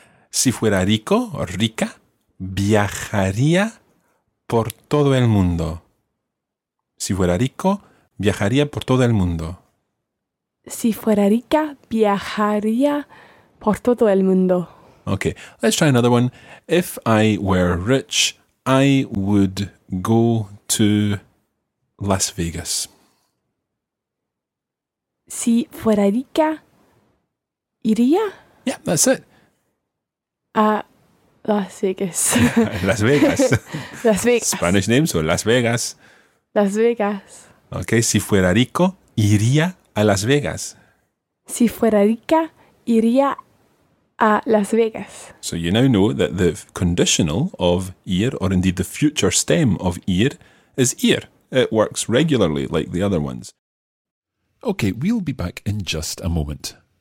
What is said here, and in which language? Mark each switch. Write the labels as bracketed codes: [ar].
[es] Si fuera rico o rica, viajaría por todo el mundo. Si fuera rico, viajaría por todo el mundo. Si fuera rica, viajaría por todo el mundo. [en] Okay, let's try another one. If I were rich, I would go to Las Vegas. [es] Si fuera rica, iría. [en] Yeah, that's it. [es] A Las Vegas. Las Vegas. Las Vegas. [en] Spanish name, so Las Vegas. [es] Las Vegas. Okay, si fuera rico, iría a Las Vegas. Si fuera rica, iría a Las Vegas. [en] So you now know that the conditional of ir, or indeed the future stem of ir, is ir. It works regularly like the other ones. Okay, we'll be back in just a moment.